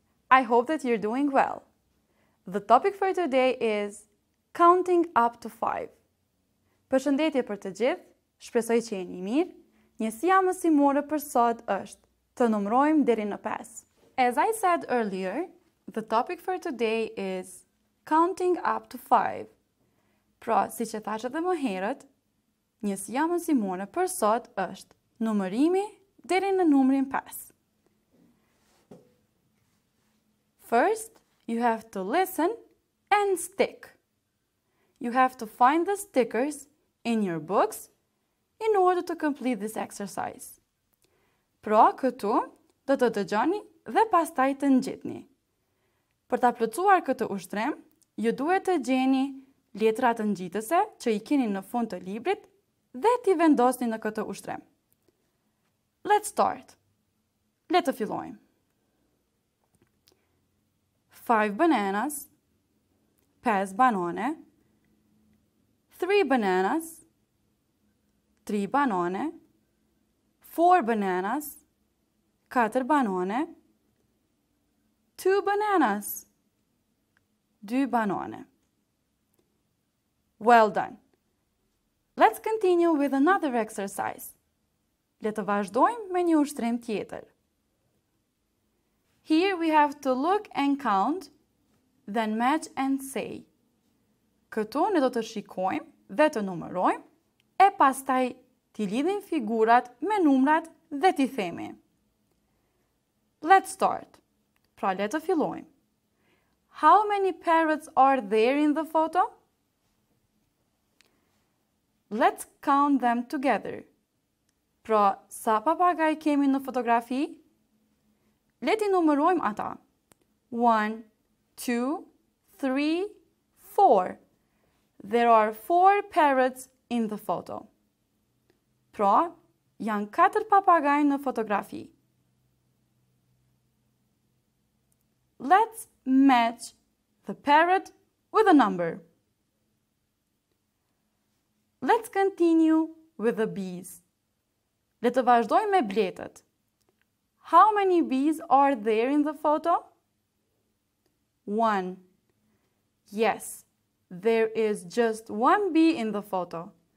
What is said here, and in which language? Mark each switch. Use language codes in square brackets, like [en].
[en] I hope that you're doing well. The topic for today is counting up to five. [sq] Përshëndetje për të gjithë, shpresoj që jeni mirë. Njësia mësimore për sot është të numrojmë deri në pesë. [en] As I said earlier, the topic for today is counting up to five. [sq] Pra, siç e thash edhe më herët, njësia mësimore për sot është numërimi deri në numrin pesë. [en] First, you have to listen and stick. You have to find the stickers in your books in order to complete this exercise. [sq] Pra, këtu do të dëgjoni dhe pastaj të ngjitni. Për ta plotësuar këtë ushtrim, ju duhet të gjeni letrat ngjitëse që i keni në fund të librit dhe t'i vendosni në këtë ushtrim. [en] Let's start. [sq] Le të fillojmë. [en] 5 bananas, 5 banane, 3 bananas, 3 banane, 4 bananas, 4 banane, 2 bananas, 2 banane. Well done! Let's continue with another exercise. [sq] Le të vazhdojmë me një ushtrim tjetër. [en] Here we have to look and count, then match and say. [sq] Këtu ne do të shikojmë dhe të numërojmë, e pastaj t'i lidhim figurat me numrat dhe t'i themi. [en] Let's start. [sq] Pra le të fillojmë. [en] How many parrots are there in the photo? Let's count them together. [sq] Pra sa papagaj kemi në fotografi? Le t'i numërojmë ata. 1, 2, 3, 4. [en] There are 4 parrots in the photo. [sq] Pra, janë 4 papagaj në fotografi. [en] Let's match the parrot with a number. Let's continue with the bees. [sq] Le të vazhdojmë me bletët. [en] How many bees are there in the photo? 1. Yes, there is just one bee in the photo.